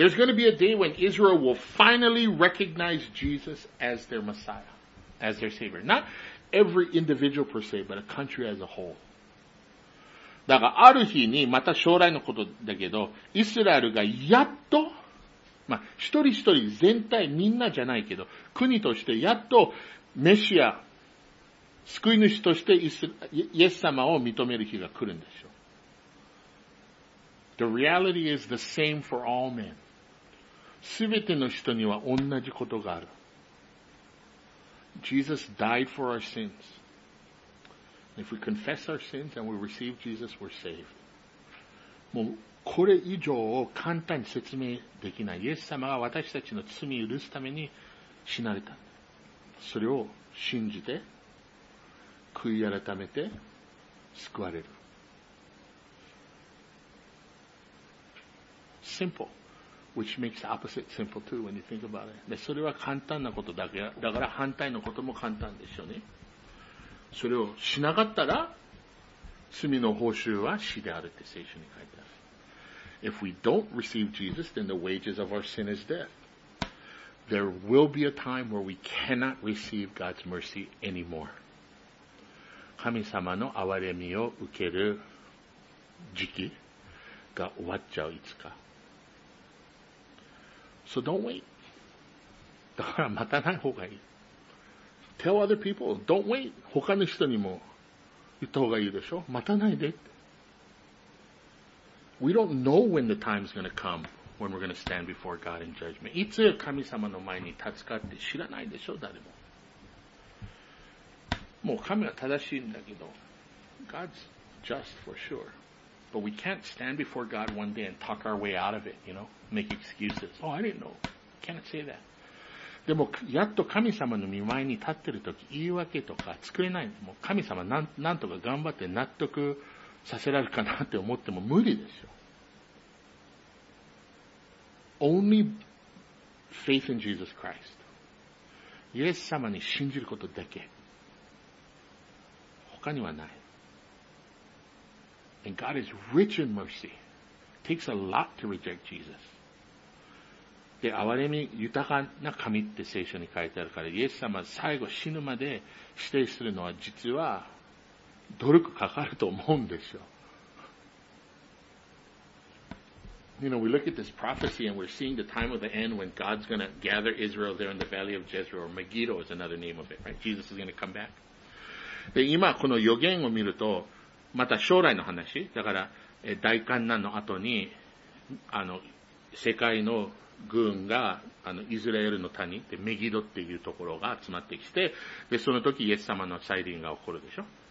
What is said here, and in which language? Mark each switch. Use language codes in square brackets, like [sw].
[en] There's going to be a day when Israel will finally recognize Jesus as their Messiah. As their savior. Not every individual per se, but a country as a whole. [ja] だからある日に、また将来のことだけど、イスラエルがやっと、まあ、一人一人全体みんなじゃないけど、国としてやっとメシア、救い主としてイエス様を認める日が来るんでしょう。 [en] The reality is the same for all men. [ja] すべての人には同じことがある。 [en] Jesus died for our sins. If we confess our sins and we receive Jesus, we're saved. [ja] もうこれ以上を簡単に説明できない。イエス様が私たちの罪を許すために死なれた。それを信じて、悔い改めて救われる。 [en] Simple. Which makes the opposite simple too when you think about it. [ja] で、それは簡単なことだけ、だから反対のことも簡単でしょうね。それをしなかったら、罪の報酬は死であるって聖書に書いてある。 [en] If we don't receive Jesus, then the wages of our sin is death. There will be a time where we cannot receive God's mercy anymore. [ja] 神様の憐れみを受ける時期が終わっちゃう、いつか。 [en] So don't wait. [ja] だから待たない方がいい。 [en] Tell other people, don't wait. [ja] 他の人にも言った方がいいでしょ。待たないで。 [en] We don't know when the time is going to come when we're going to stand before God in judgment. [ja] いつ神様の前に立つかって知らないでしょ、誰も。もう神は正しいんだけど、 [en] God's just for sure. But we can't stand before God one day and talk our way out of it, you know? Make excuses. Oh, I didn't know. Can't say that. [ja] でも、やっと神様の御前に立ってるとき、言い訳とか作れない。もう神様なんとか頑張って納得させられるかなって思っても無理ですよ。 [en] Only faith in Jesus Christ. [ja] イエス様に信じることだけ。他にはない。 [en] And God is rich in mercy. It takes a lot to reject Jesus. [ja] で、憐れみ豊かな神って聖書に書いてあるから、イエス様最後死ぬまで指定するのは実は努力かかると思うんですよ。 [en] You know, we look at this prophecy and we're seeing the time of the end when God's going to gather Israel there in the Valley of Jezreel, or Megiddo is another name of it, right? Jesus is going to come back. [ja] で、今この予言を見ると、また将来の話、だから大患難の後に、世界の軍が、イスラエルの谷、でメギドっていうところが集まってきて、で、その時イエス様の再臨が起こるでしょ。